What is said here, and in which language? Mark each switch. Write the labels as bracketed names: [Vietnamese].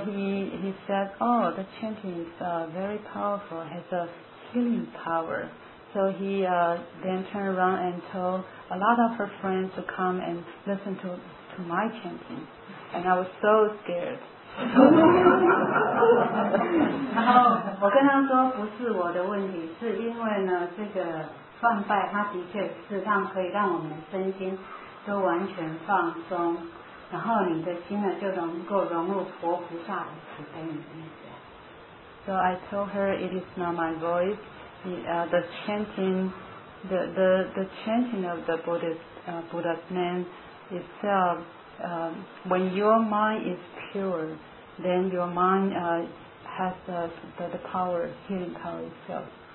[English] he said, oh, the chanting is very powerful. Has a healing power. So he then turned around and told a lot of her friends to come and listen to my chanting. And I was so scared. [Chinese] 然后我跟他说不是我的问题，是因为呢这个梵拜它的确是它可以让我们身心都完全放松，然后你的心呢就能够融入佛菩萨的慈悲里面。So [English] I told her it is not my voice. The chanting, the chanting of the Buddha's name itself, when your mind is pure, then your mind has the power, healing power itself.